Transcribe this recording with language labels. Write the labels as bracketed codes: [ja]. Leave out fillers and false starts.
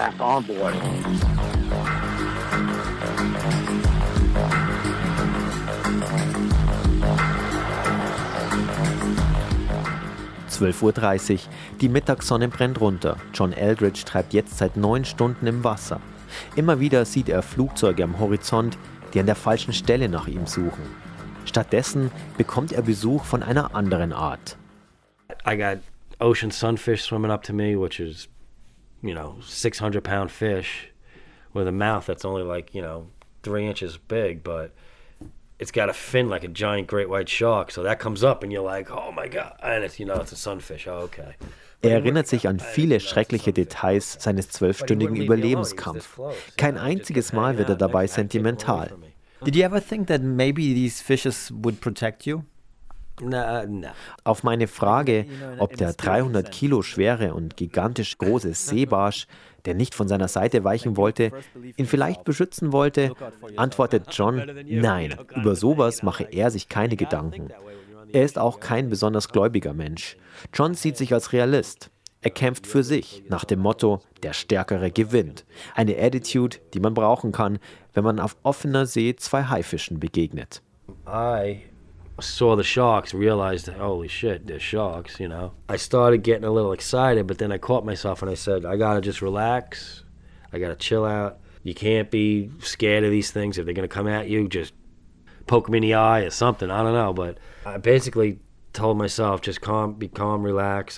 [de] Uhr 12:30. Die Mittagssonne brennt runter. John Eldridge treibt jetzt seit 9 Stunden im Wasser. Immer wieder sieht er Flugzeuge am Horizont, die an der falschen Stelle nach ihm suchen. Stattdessen bekommt er Besuch von einer anderen Art. [en] I got ocean sunfish swimming up to me, which is, you know, 600-pound fish with a mouth that's only like, you know, 3 inches big, but it's got a fin like a giant great white shark, so that comes up and you're like, oh my god, and it's, you know, it's a sunfish, oh, okay. [de] Er erinnert sich an viele schreckliche Details seines 12-stündigen Überlebenskampf. Kein einziges Mal wird er dabei sentimental. [en] Did you ever think that maybe these fishes would protect you? [de] Auf meine Frage, ob der 300 Kilo schwere und gigantisch große Seebarsch, der nicht von seiner Seite weichen wollte, ihn vielleicht beschützen wollte, antwortet John, nein, über sowas mache er sich keine Gedanken. Er ist auch kein besonders gläubiger Mensch. John sieht sich als Realist. Er kämpft für sich, nach dem Motto, der Stärkere gewinnt. Eine Attitude, die man brauchen kann, wenn man auf offener See 2 Haifischen begegnet. [en] I saw the sharks, realized, holy shit, they're sharks, you know. I started getting a little excited, but then I caught myself and I said, I gotta just relax, I gotta chill out. You can't be scared of these things, if they're gonna come at you, just poke them in the eye or something, I don't know, but I basically told myself, just calm, be calm, relax.